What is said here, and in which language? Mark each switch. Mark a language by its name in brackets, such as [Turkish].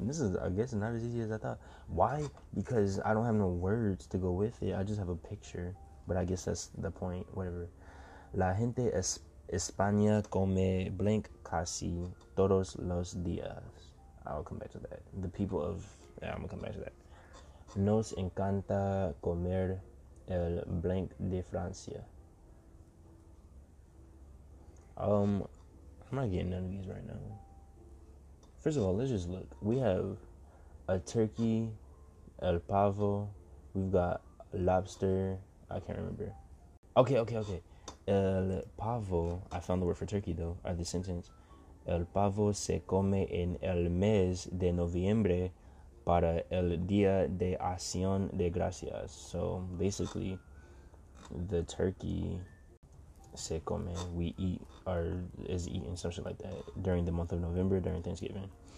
[English] This is, I guess, not as easy as I thought. Why? Because I don't have no words to go with it. I just have a picture. But I guess that's the point. Whatever. [Spanish] La gente es España come blank casi todos los días. [English] I'll come back to that. The people of... Yeah, I'm going to come back to that. [Spanish] Nos encanta comer el blank de Francia. [English] I'm not getting none of these right now. First of all, let's just look. We have a turkey, el pavo, we've got lobster, I can't remember. Okay. El pavo, I found the word for turkey though, or the sentence. [Spanish] El pavo se come en el mes de noviembre para el día de acción de gracias. [English] So basically, the turkey [Spanish] se come, [English] we eat, or is eating, some shit like that, during the month of November, during Thanksgiving.